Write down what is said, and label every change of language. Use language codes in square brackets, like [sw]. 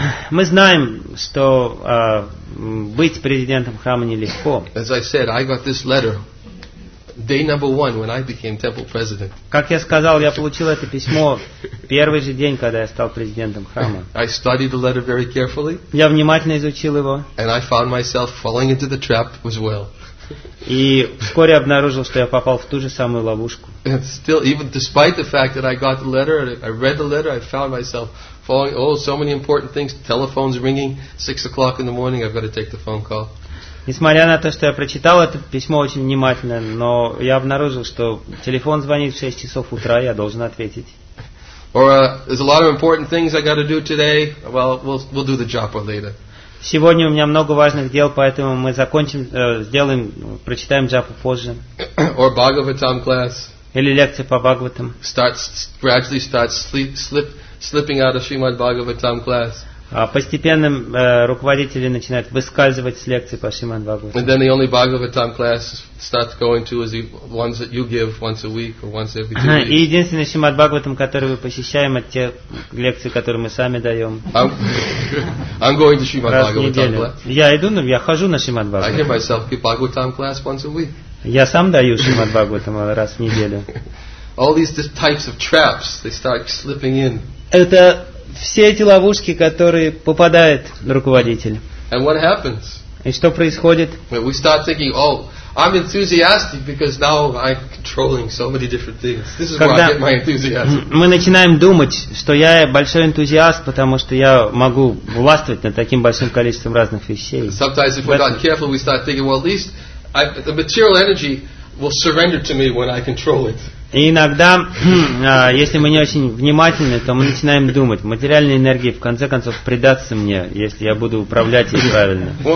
[ru] Мы знаем, что быть президентом храма нелегко. [en] As I said, I got this letter. Day number one when I became temple president. [ru] Как я сказал, я получил это письмо первый же день, когда я стал президентом храма. [en] I studied the letter very carefully. [ru] Я внимательно изучил его. [en] And I found myself falling into the trap as well. [ru] И вскоре обнаружил, что я попал в ту же самую ловушку. [en] And still, even despite the fact that I got the letter, I read the letter, I found myself falling. Oh, so many important things. Telephone's ringing. 6 o'clock in the morning. I've got to take the phone call. [ru] Несмотря на то, что я прочитал это письмо очень внимательно, но я обнаружил, что телефон звонит в 6 часов утра, я должен ответить. Сегодня у меня много важных дел, поэтому мы закончим, сделаем, прочитаем джапу позже. [en] Or Bhagavatam class. [ru] Или лекция по Бхагаватам. [en] Gradually starts slipping out of Srimad Bhagavatam class. [ru] Постепенно руководители начинают выскальзывать с лекции по Шримад Бхагаватам. [en] And then the only Bhagavatam class starts going to is the ones that you give once a week or once every 2 weeks. [ru] И единственный Шримад Бхагаватам, который мы посещаем, это те лекции, которые мы сами даем. [en] I'm going to Shrimad Bhagavatam class. [ru] Я иду, я хожу на Шримад Бхагаватам. [en] I give myself the Bhagavatam class once a week. [ru] Я сам даю Шримад Бхагаватам раз в неделю. [en] All these types of traps, they start slipping in. [ru] Это все эти ловушки, которые попадает руководитель. И что происходит? [en] We start thinking, oh, I'm enthusiastic because now I'm controlling so many different things. This is where I get my enthusiasm. [ru] Мы начинаем думать, что я большой энтузиаст, потому что я могу властвовать над таким большим количеством разных вещей. [en] Sometimes if we're not careful, we start thinking, well, at least the material energy will surrender to me when I control it. [ru] И иногда, если мы не очень внимательны, то мы начинаем думать, материальная энергия в конце концов предастся мне, если я буду управлять ей правильно.